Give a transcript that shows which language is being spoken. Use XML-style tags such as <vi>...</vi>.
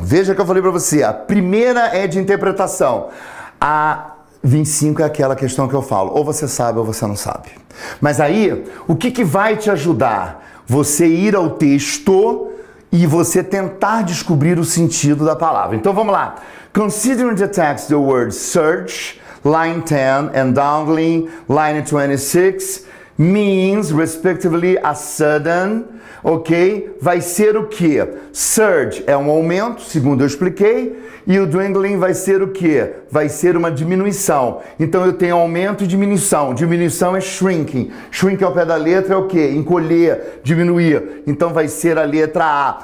<pt>Veja que eu falei para você. A primeira é de interpretação. A 25 é aquela questão que eu falo. Ou você sabe ou você não sabe. Mas aí, o que, que vai te ajudar? Você ir ao texto e você tentar descobrir o sentido da palavra. Então vamos lá.</pt> <en>Considering the text, the word search, line 10 and dangling, line 26, means, respectively, a sudden, ok?</en> <pt>Vai ser o quê? Surge é um aumento, segundo eu expliquei, e o dwindling vai ser o quê? Vai ser uma diminuição. Então eu tenho aumento e diminuição. Diminuição é shrinking. Shrink ao pé da letra é o quê? Encolher, diminuir. Então vai ser a letra A.</pt>